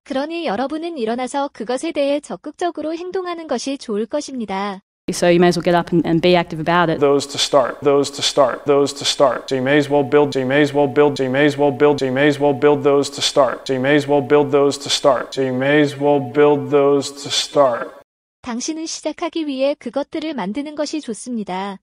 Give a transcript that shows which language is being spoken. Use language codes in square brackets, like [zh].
[ko] 그러니 여러분은 일어나서 그것에 대해 적극적으로 행동하는 것이 좋을 것입니다. [en] So you may as well get up and be active about it. So you may as well build those to start. [ko] 당신은 시작하기 위해 그것들을 만드는 것이 좋습니다.